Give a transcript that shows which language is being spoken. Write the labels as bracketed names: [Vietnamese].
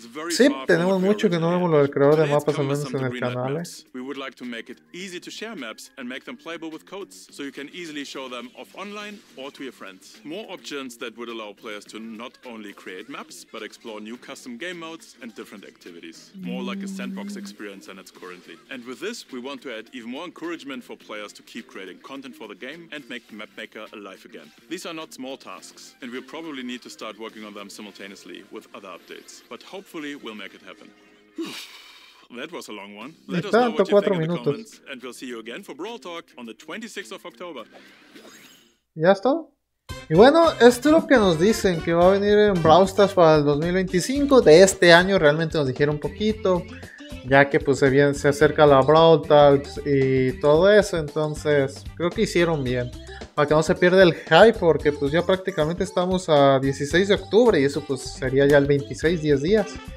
[Spanish] Sí, tenemos mucho que no vemos lo del creador de mapas, al menos en el canal. [English] We would like to make it easy to share maps and make them playable with codes, so you can easily show them off online or to your friends. More options that would allow players to not only create maps, but explore new custom game modes and different activities. More like a sandbox experience than it's currently. And with this, we want to add even more encouragement for players to keep creating content for the game and make the map maker a life again. These are not small tasks, and we'll probably need to start working on them simultaneously with other updates. But hopefully, we'll make it happen. That was a long one. Let us know what you think in the comments, and we'll see you again for Brawl Talk on the 26th of October. [Spanish] ¿Ya está? Y bueno, esto es lo que nos dicen, que va a venir en Brawl Stars para el 2025 de este año. Realmente nos dijeron un poquito, ya que pues se acerca la Brawl Talks y todo eso. Entonces, creo que hicieron bien. Para que no se pierda el hype, porque pues ya prácticamente estamos a 16 de octubre y eso pues sería ya el 26, 10 días.